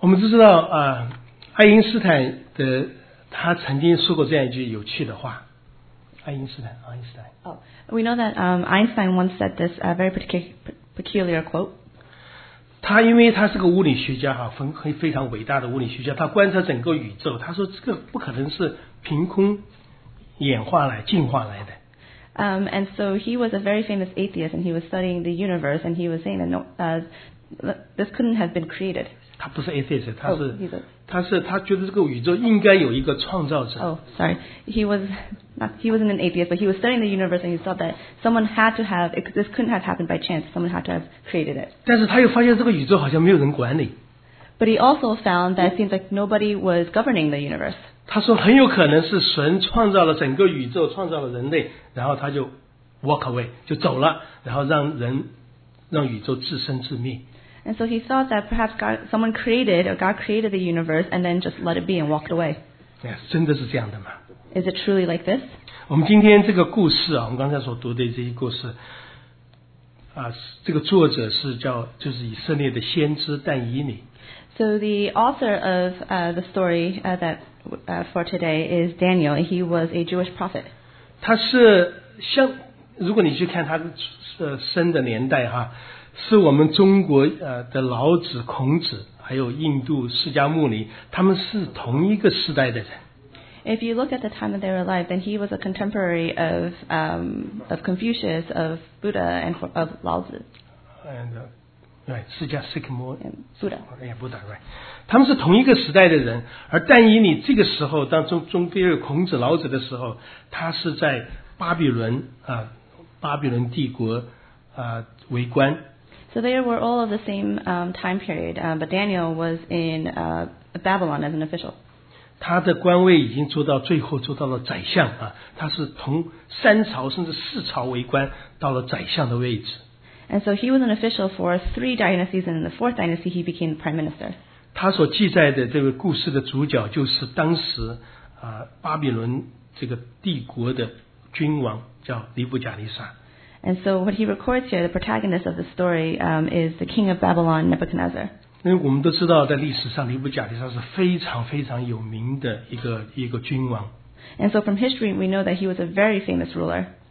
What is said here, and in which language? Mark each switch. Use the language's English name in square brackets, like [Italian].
[Chinese] 我们都知道爱因斯坦的他曾经说过这样一句有趣的话爱因斯坦 [English] We know that Einstein once said this very peculiar quote. [Chinese] 他因为他是个物理学家哈，非常伟大的物理学家，他观察整个宇宙，他说这个不可能是凭空演化来、进化来的。 [English] And so he was a very famous atheist, and he was studying the universe, and he was saying that no, this couldn't have been created. [Chinese] 他不是 atheist, 他是、 oh, 他觉得这个宇宙应该有一个创造者。 [English] Oh, sorry, he wasn't an atheist, but he was studying the universe and he thought that someone had to have, this couldn't have happened by chance, someone had to have created it. [Chinese] 但是他又发现这个宇宙好像没有人管理。 [English] But he also found that it seems like nobody was governing the universe. [Chinese] 他说很有可能是神创造了整个宇宙，创造了人类，然后他就 [English] walk away, [Chinese] 就走了，然后让宇宙自生自灭。 [English] And so he thought that perhaps God created the universe and then just let it be and walked away. [Chinese] Yes, 真的是这样的吗？ [English] Is it truly like this? [Chinese] 我们今天这个故事啊，我们刚才所读的这些故事啊，这个作者是叫就是以色列的先知但以理。 [English] So the author of the story for today is Daniel. He was a Jewish prophet. [Chinese] 他是像如果你去看他生的年代哈、是我们中国的老子、孔子，还有印度释迦牟尼，他们是同一个时代的人。 [English] If you look at the time of their life, then he was a contemporary of Confucius, of Buddha, and of Lao Tzu. And right, 释迦释迦牟尼 Buddha. Yeah, Buddha, right. [Chinese] 他们是同一个时代的人，而但以理这个时候，当中第二孔子、老子的时候，他是在巴比伦帝国为官。 [English] So they were all of the same time period, but Daniel was in Babylon as an official. [Chinese] 他的官位已经做到最后，做到了宰相啊。他是从三朝甚至四朝为官，到了宰相的位置。 [English] And so he was an official for three dynasties, and in the fourth dynasty, he became prime minister. [Chinese] 他所记载的这个故事的主角就是当时巴比伦这个帝国的君王叫尼布甲尼撒。 [English] And so what he records here, the protagonist of the story, is the king of Babylon, Nebuchadnezzar. [Chinese] 因为我们都知道在历史上尼布甲尼撒是非常非常有名的一个君王。 [English] And so from history, we know that he was a very famous ruler.